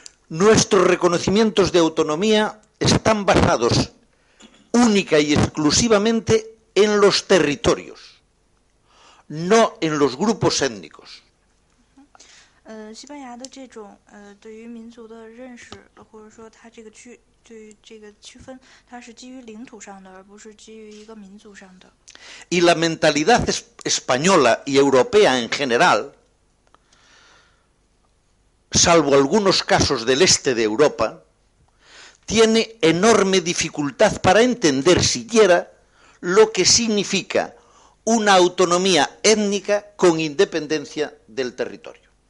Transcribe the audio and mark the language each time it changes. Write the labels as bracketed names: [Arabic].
[Spanish] Nuestros reconocimientos de autonomía están basados única y exclusivamente en los territorios, no en los grupos étnicos. [Chinese] 西班牙的这种对于民族的认识，或者说它这个区对于这个区分，它是基于领土上的，而不是基于一个民族上的。 [Spanish] Y la mentalidad española y europea en general, salvo algunos casos del este de Europa, tiene enorme dificultad para entender siquiera lo que significa una autonomía étnica con independencia del territorio.